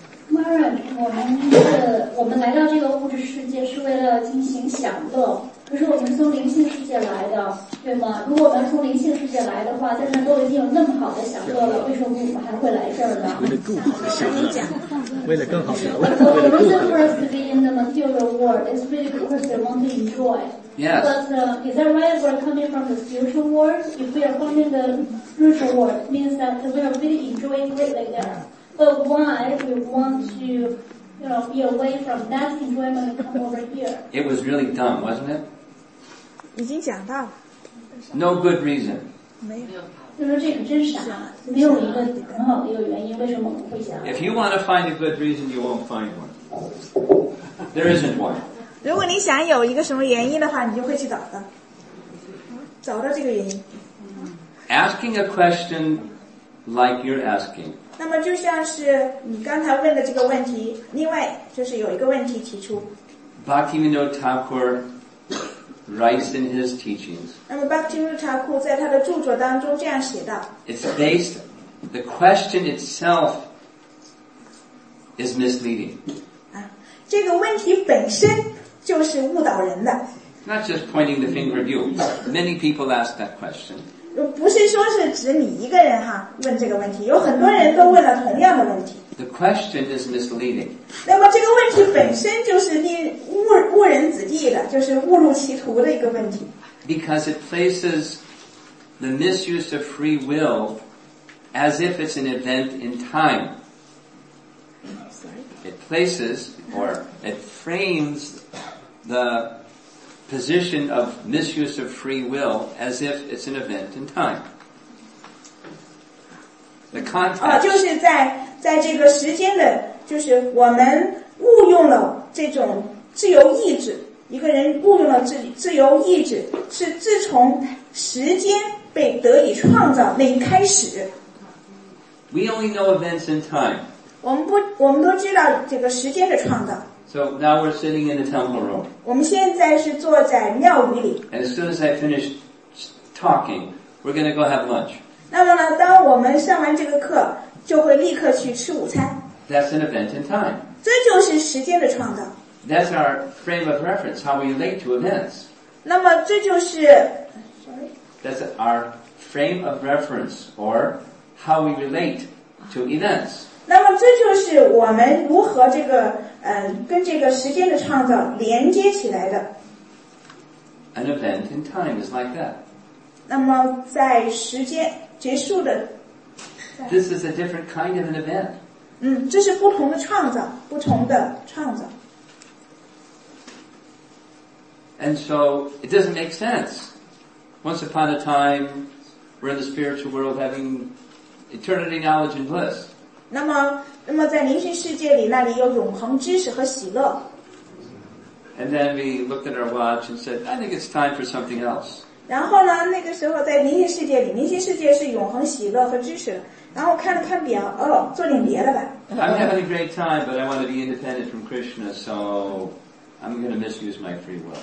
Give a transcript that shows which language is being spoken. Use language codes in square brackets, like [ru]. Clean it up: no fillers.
[zh] Maran， 我们来到这个物质世界是为了进行享乐，不是我们从灵性世界来的，对吗？如果我们从灵性世界来的话，在那都已经有那么好的享乐了，为什么我们还会来这儿呢？为了更好的享乐，为了更好的享乐。 [en] The reason for us to be in the material world is really because we want to enjoy. Yes. But is that right? We're coming from the spiritual world. If we are coming the spiritual world, means that we are really enjoying greatly there. But why we want to? You know, be away from that enjoyment and come over here. It was really dumb, wasn't it? [zh] 已经讲到了。 [en] No good reason. [zh] 没有。就说这个真傻，没有一个很好的一个原因，为什么我们会想 [en] ？If you want to find a good reason, you won't find one. There isn't one. [zh] 如果你想有一个什么原因的话，你就会去找的，找到这个原因。 [en] Asking a question like you're asking. [zh] 那么就像是你刚才问的这个问题，另外就是有一个问题提出。 [en] Bhaktivinoda Thakur writes in his teachings. [zh] 那么 Bhaktivinoda Thakur 在他的著作当中这样写道。 [en] It's based, the question itself is misleading. [zh] 这个问题本身就是误导人的。 [en] Not just pointing the finger at you. Many people ask that question. [zh] 不是说是指你一个人哈问这个问题，有很多人都问了同样的问题。 [en] The question is misleading. [zh] 那么这个问题本身就是误人子弟的，就是误入歧途的一个问题。 [en] Because it places the misuse of free will as if it's an event in time. It places or it frames the. Position of misuse of free will as if it's an event in time. The context. [zh] 就是在这个时间的，就是我们误用了这种自由意志。一个人误用了自由意志，是自从时间被得以创造那一开始。 [en] We only know events in time. [zh] 我们都知道这个时间的创造。 [en] So now we're sitting in the temple room. [zh] 我们现在是坐在庙宇里。 [en] And as soon as I finish talking, we're going to go have lunch. [zh] 那么呢，当我们上完这个课，就会立刻去吃午餐。 [en] That's an event in time. [zh] 这就是时间的创造。 [en] That's our frame of reference, how we relate to events. [zh] 那么这就是 [en] That's our frame of reference, or how we relate to events. [zh] 那么这就是我们如何这个跟这个时间的创造连接起来的。 [en] An event in time is like that. [zh] 那么在时间结束的。 [en] This is a different kind of an event. [zh] 这是不同的创造，不同的创造。 [en] And so it doesn't make sense. Once upon a time, we're in the spiritual world having eternity knowledge and bliss. [zh] 那么在灵性世界里，那里有永恒知识和喜乐。 [en] And then we looked at our watch and said, "I think it's time for something else." [zh] 然后呢，那个时候在灵性世界里，灵性世界是永恒喜乐和知识。然后看了看表，哦，做点别的吧。 [en] I'm having a great time, but I want to be independent from Krishna, so I'm going to misuse my free will.